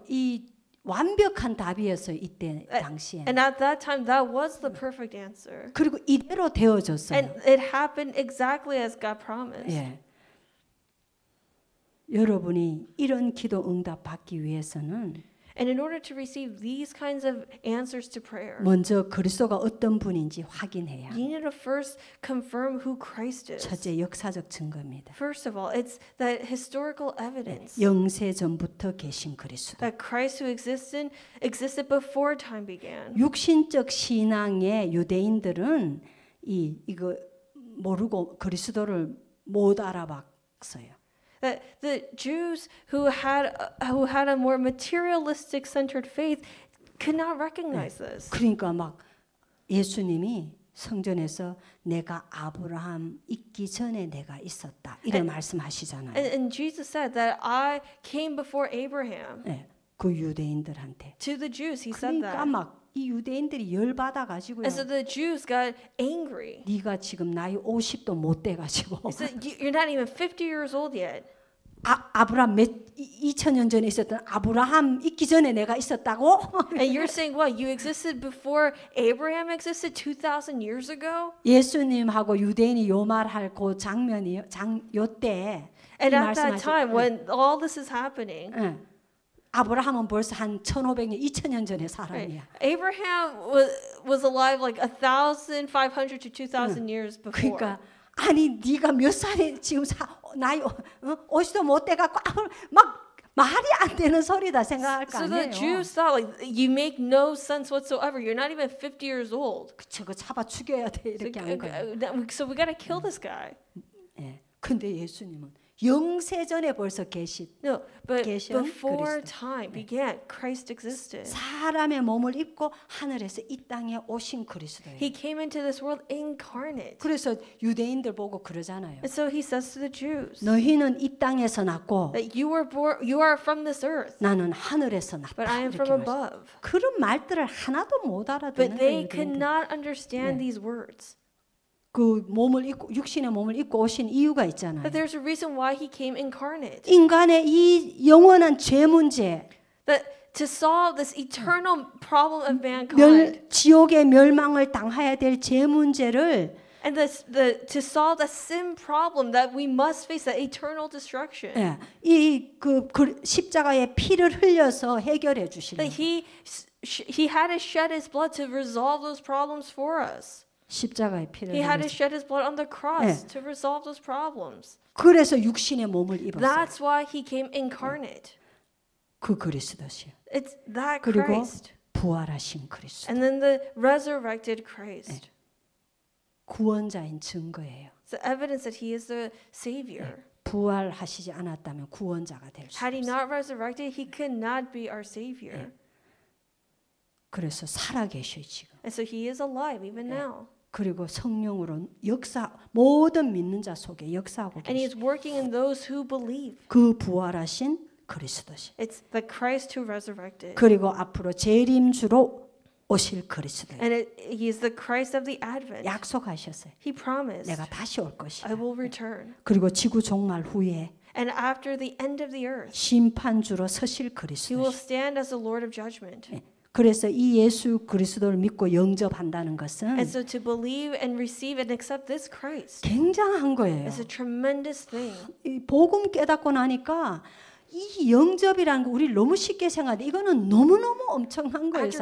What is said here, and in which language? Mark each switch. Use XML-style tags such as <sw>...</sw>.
<ko>이 완벽한 답이었어요 이때 당시에.</ko> <en>And at that time, that was the perfect answer.</en> <ko>그리고 이대로 되어졌어요.</ko> <en>And it happened exactly as God promised.</en> <ko>예. 여러분이 이런 기도 응답 받기 위해서는</ko> <en>And in order to receive these kinds of answers to prayer,</en> <ko>먼저 그리스도가 어떤 분인지 확인해야.</ko> <en>You need to first confirm who Christ is.</en> <ko>첫째 역사적 증거입니다.</ko> <en>First of all, it's the historical evidence.</en> <ko>영세 전부터 계신 그리스도.</ko> <en>That Christ who existed before time began.</en> <ko>육신적 신앙의 유대인들은 이거 모르고 그리스도를 못 알아봤어요.</ko> <en>That the Jews who had a more materialistic centered faith could not recognize</en> <ko>네.</ko> <en>this.</en> <ko>그러니까 막 예수님이 성전에서 내가 아브라함 있기 전에 내가 있었다 이런 말씀하시잖아요.</ko> <en>And Jesus said that I came before Abraham.</en> <ko>네. 그 유대인들한테.</ko> <en>To the Jews, he</en> <ko>그러니까</ko> <en>said that.</en> <ko>그러니까 막 이 유대인들이 열 받아 가지고요.</ko> <en>And so the Jews got angry.</en> <ko>네가 지금 나이 50도 못 돼 가지고.</ko> <en>So you're not even 50 years old yet.</en> <ko>아브라함 2000년 전에 있었던 아브라함 있기 전에 내가 있었다고?</ko> <en>And you're saying what? You existed before Abraham existed 2000 years ago?</en> <ko>예수님하고 유대인이 요 말할 그 장면이 요 때.</ko> <en>And at that time when all this is happening.</en> <ko>응. 아브라함은 벌써 한 1500년, 2000년 전의 사람이야.</ko> <en>Right. Abraham was alive like 1500 to 2000 years before.</en> <ko>그러니까 아니 네가 몇 살에 지금 나이 50도 못 돼 갖고 막 말이 안 되는 소리다 생각할 거 아니에요.</ko> <en>So the Jews thought like you make no sense whatsoever. You're not even 50 years old.</en> <ko>그쵸, 그 잡아 죽여야 돼 이렇게 한 거야.</ko> <en>So we got to kill this guy.</en> <ko>예. 근데 예수님은 영세전에 벌써 계신</ko> <en>before time began Christ existed.</en> <ko>사람의 몸을 입고 하늘에서 이 땅에 오신 그리스도예요.</ko> <en>He came into this world incarnate.</en> <ko>그래서 유대인들 보고 그러잖아요.</ko> <en>And so he says to the Jews.</en> <ko>너희는 이 땅에서 났고</ko> <en>that you were born, you are from this earth.</en> <ko>나는 하늘에서 났다.</ko> <en>But I am from above.</en> <ko>그런 말들을 하나도 못 알아듣는</ko> <en>But they could not understand these words.</en> <ko>그 몸을 입고 육신의 몸을 입고 오신 이유가 있잖아요.</ko> <en>But there's a reason why he came incarnate.</en> <ko>인간의 이 영원한 죄 문제.</ko> <en>That to solve this eternal problem of mankind.</en> <ko>지옥의 멸망을 당해야 될 죄 문제를</ko> <en>And the to solve the sin problem that we must face that eternal destruction.</en> <ko>예. 이 그 십자가의 피를 흘려서 해결해 주시는</ko> <en>That he had to shed his blood to resolve those problems for us.</en> <ko>십자가의 피를</ko> <en>He had to shed his blood on the cross</en> <ko>네.</ko> <en>to resolve those problems.</en> <ko>그래서 육신의 몸을 입었어요.</ko> <en>That's why he came incarnate.</en> <ko>그 그리스도시요.</ko> <en>It's that</en> <ko>그리고</ko> <en>Christ.</en> <ko>부활하신 그리스도.</ko> <en>And then the resurrected Christ.</en> <ko>구원자인 증거예요.</ko> <en>It's the evidence that he is the savior.</en> <ko>부활하시지 않았다면 구원자가 될 수 없어요.</ko> <en>Had he not resurrected, he could not be our savior.</en> <ko>그래서 살아계셔요 지금.</ko> <en>And so he is alive even now.</en> <ko>그리고 성령으로 역사 모든 믿는 자 속에 역사하고 계시.</ko> <en>And he is working in those who believe.</en> <ko>그 부활하신 그리스도시.</ko> <en>It's the Christ who resurrected.</en> <ko>그리고 앞으로 재림주로 오실 그리스도.</ko> <en>And he is the Christ of the Advent.</en> <ko>약속하셨어요.</ko> <en>He promised.</en> <ko>내가 다시 올 것이다.</ko> <en>I will return.</en> <ko>그리고 지구 종말 후에.</ko> <en>And after the end of the earth.</en> <ko>심판주로 서실 그리스도.</ko> <en>He will stand as the Lord of Judgment.</en> <ko>그래서 이 예수 그리스도를 믿고 영접한다는 것은</ko> <en>and so to believe and receive and accept this Christ</en> <ko>굉장한 거예요.</ko> <en>It's a tremendous thing.</en> <ko>이 복음 깨닫고 나니까 이 영접이라는 거 우리 너무 쉽게 생각해. 이거는 너무너무 엄청난 거예요, 사실.</ko>